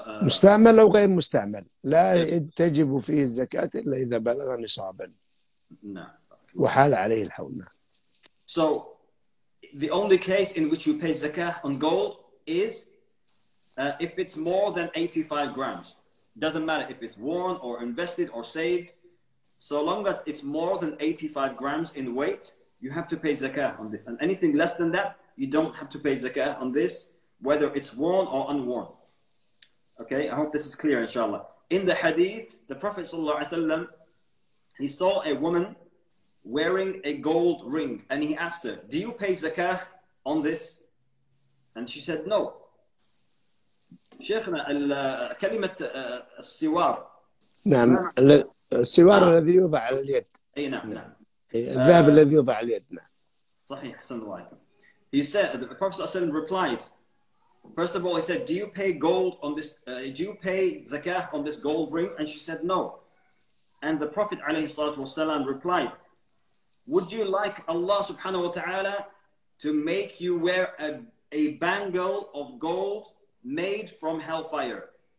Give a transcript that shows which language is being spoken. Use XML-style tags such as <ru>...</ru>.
<ar>مستعمل أو غير مستعمل لا تجب فيه الزكاة إلا إذا بلغ نصابا. نعم. وحال عليه الحول. نعم.</ar> <en>So the only case in which you pay zakah on gold is if it's more than 85 grams. Doesn't matter if it's worn or invested or saved. So long as it's more than 85 grams in weight, you have to pay zakah on this. And anything less than that, you don't have to pay zakah on this, whether it's worn or unworn. Okay, I hope this is clear, inshallah. In the hadith, the Prophet sallallahu alaihi wasallam, he saw a woman wearing a gold ring and he asked her, do you pay zakah on this? And she said, no.</en> <ar>Shaykhna, كلمة السوار. نعم. السوار الذي يوضع على اليد. أي نعم نعم. الذهب الذي يوضع على اليد نعم. صحيح. حسن الله عليكم.</ar> <en>He said, the Prophet</en> <ar>صلى الله عليه وسلم</ar> <en>replied. First of all, he said, do you pay gold on this? Do you pay zakah on this gold ring? And she said, no. And the Prophet</en> <ar>عليه الصلاة والسلام</ar> <en>replied, would you like Allah subhanahu wa ta'ala to make you wear a bangle of gold made from hellfire?</en>